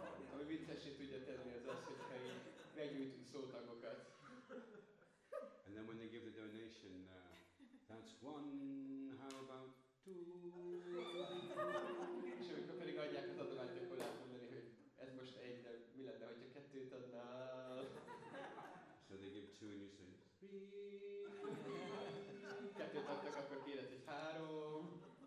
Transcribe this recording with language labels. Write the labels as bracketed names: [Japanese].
[Hungarian] Ami viccesé tudja tenni az az, hogyha így meggyújtunk szótagokat. [English] And then when they give the donation, that's one, how about two? [Hungarian] És amikor pedig adják az adományt, akkor lehet mondani, hogy ez most egy, de mi lenne, hogyha kettőt adnál? [English] So they give two and you say three. [Hungarian] Kettőt adtak, akkor kérdez, hogy három.